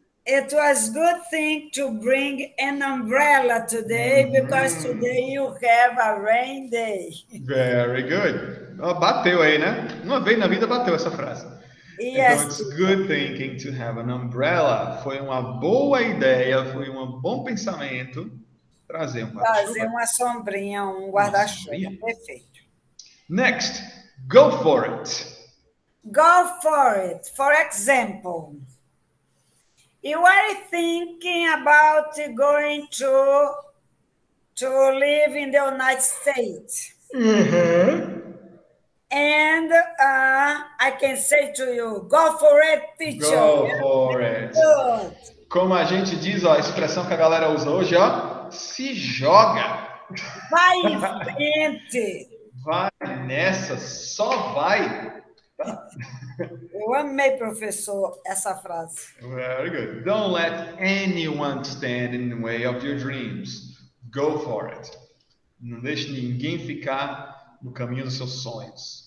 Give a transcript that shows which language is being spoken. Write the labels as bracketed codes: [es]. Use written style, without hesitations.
[en] It was good thing to bring an umbrella today, because today you have a rain day. Very good. [pt] Oh, bateu aí, né? Uma vez na vida bateu essa frase. [en] Yes, então, it's good thinking to have an umbrella. [pt] Foi uma boa ideia, foi um bom pensamento trazer um guarda-chuva. Trazer uma sombrinha, um guarda-chuva. Perfeito. [en] Next, go for it. Go for it. For example, you are thinking about going to live in the United States. And I can say to you, go for it, teacher. Go for it. [pt] Como a gente diz, ó, a expressão que a galera usa hoje, ó, se joga. Vai em frente. Vai nessa, só vai. Eu amei, professor, essa frase. [en] Very good. Don't let anyone stand in the way of your dreams. Go for it. [pt] Não deixe ninguém ficar no caminho dos seus sonhos.